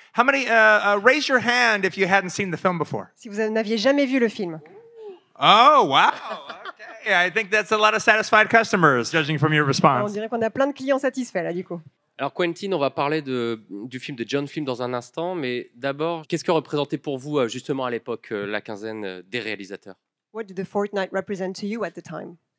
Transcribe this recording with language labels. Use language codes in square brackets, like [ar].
[en] How many, raise your hand if you hadn't seen the film before. [fr] Si vous n'aviez jamais vu le film. [en] Oh, wow. Okay. I think that's a lot of satisfied customers, judging from your response. [fr] On dirait qu'on a plein de clients satisfaits, là, du coup. Alors, Quentin, on va parler du film de John Flynn dans un instant, mais d'abord, qu'est-ce que représentait pour vous, justement, à l'époque, la quinzaine des réalisateurs? [en] What did the Fortnight represent to you at the time?